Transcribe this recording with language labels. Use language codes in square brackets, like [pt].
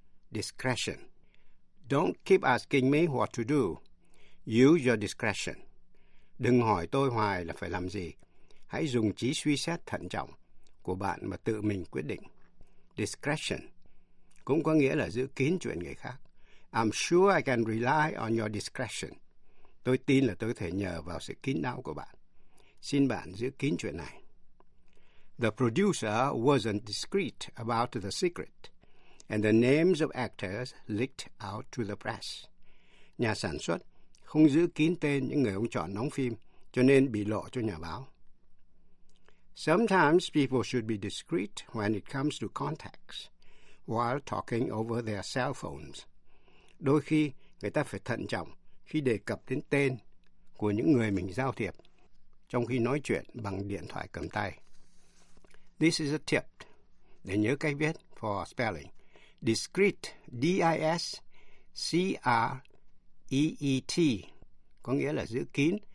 [en] Discretion. Don't keep asking me what to do. Use your discretion. [vi] Đừng hỏi tôi hoài là phải làm gì. Hãy dùng trí suy xét thận trọng của bạn mà tự mình quyết định. Discretion cũng có nghĩa là giữ kín chuyện người khác. [en] I'm sure I can rely on your discretion. [vi] Tôi tin là tôi có thể nhờ vào sự kín đáo của bạn. Xin bạn giữ kín chuyện này. [en] The producer wasn't discreet about the secret. And the names of actors leaked out to the press. [vi] Nhà sản xuất không giữ kín tên những người ông chọn đóng phim, cho nên bị lộ cho nhà báo. [en] Sometimes people should be discreet when it comes to contacts while talking over their cell phones. [vi] Đôi khi người ta phải thận trọng khi đề cập đến tên của những người mình giao thiệp trong khi nói chuyện bằng điện thoại cầm tay. [en] This is a tip. [vi] Để nhớ cách viết [en] for spelling. [vi] Discreet, D-I-S-C-R-E-E-T, có nghĩa là giữ kín.